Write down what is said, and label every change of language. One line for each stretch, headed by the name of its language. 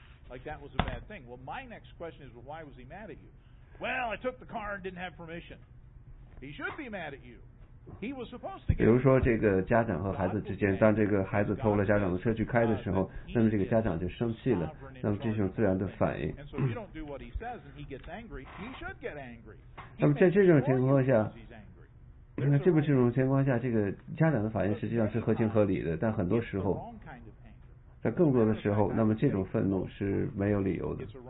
English: like that was a bad thing. Well, my next question is, well, why was he mad at you? Well, I took the car and didn't have permission. He should be mad at you. He was supposed to get.
Chinese: 比如说，这个家长和孩子之间，当这个孩子偷了家长的车去开的时候，那么这个家长就生气了，那么这是自然的反应。
English: And so if you don't do what he says and he gets angry, he should get angry.
Chinese: 那么在这种情况下。那这么这种情况下，这个家长的反应实际上是合情合理的，但很多时候，在更多的时候，那么这种愤怒是没有理由的。